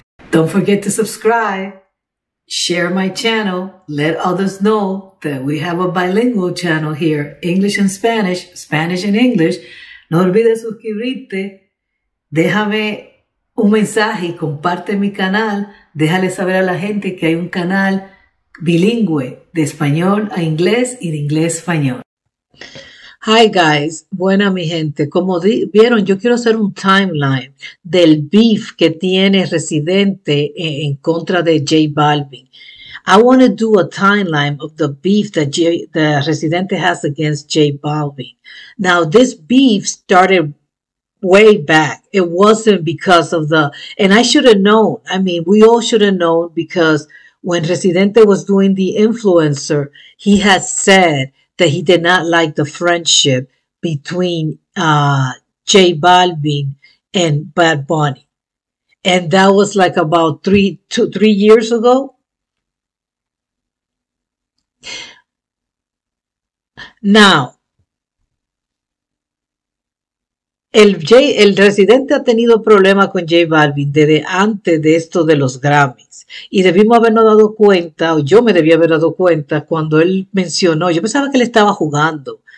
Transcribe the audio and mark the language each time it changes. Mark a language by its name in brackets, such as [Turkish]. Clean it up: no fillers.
[English] Don't forget to subscribe. Share my channel. Let others know that we have a bilingual channel here. English and Spanish. Spanish and English. [Spanish] No olvides suscribirte. Déjame un mensaje y comparte mi canal. Déjale saber a la gente que hay un canal bilingüe de español a inglés y de inglés a español. [English] Hi guys, [Spanish] buena mi gente. Como vieron, yo quiero hacer un timeline del beef que tiene Residente en contra de J Balvin. [English] I want to do a timeline of the beef that Residente has against J Balvin. Now, this beef started way back. It wasn't because of the, and I should have known. I mean, we all should have known, because when Residente was doing the influencer, he had said that he did not like the friendship between J Balvin and Bad Bunny. And that was like about three years ago. [Spanish] Now, el Residente ha tenido problemas con J Balvin desde antes de esto de los Grammys. Y debimos habernos dado cuenta, o yo me debía haber dado cuenta, cuando él mencionó, yo pensaba que él estaba jugando.